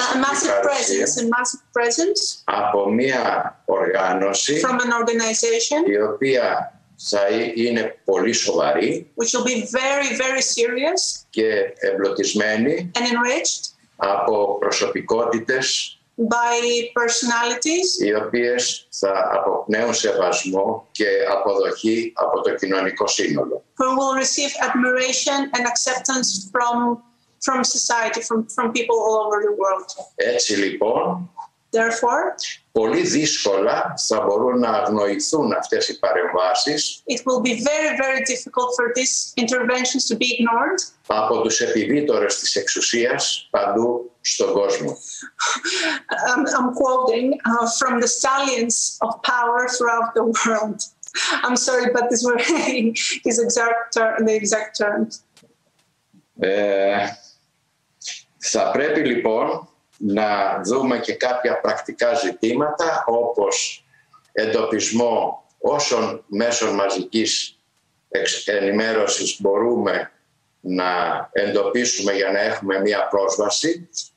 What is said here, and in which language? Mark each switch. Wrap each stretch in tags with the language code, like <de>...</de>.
<en>massive presence, a massive presence</en> <el>από μια οργάνωση</el> <en>from an organization</en> <el>η οποία θα είναι πολύ σοβαρή</el> <en>which will be very, very serious</en> <el>και εμπλωτισμένη</el> <en>and enriched</en> <el>από προσωπικότητες</el> <en>by personalities</en> <el>οι οποίες θα αποπνέουν σεβασμό και αποδοχή από το κοινωνικό σύνολο</el> <en>who will receive admiration and acceptance from society from people all over the world</en> <el>έτσι λοιπόν</el> <en>therefore</en> <el>πολύ δύσκολα θα μπορούν να αγνοηθούν αυτές οι παρεμβάσεις</el> <en>it will be very very difficult for these interventions to be ignored</en> <el>από τους επιβήτορες της εξουσίας παντού στον κόσμο.</el> <en>I'm quoting from the stallions of power throughout the world. I'm sorry, but this was his exact the exact terms.</en> <el>Θα πρέπει λοιπόν να δούμε και κάποια πρακτικά ζητήματα όπως εντοπισμό όσων μέσων μαζικής ενημέρωσης μπορούμε να εντοπίσουμε για να έχουμε μία πρόσβαση.</el>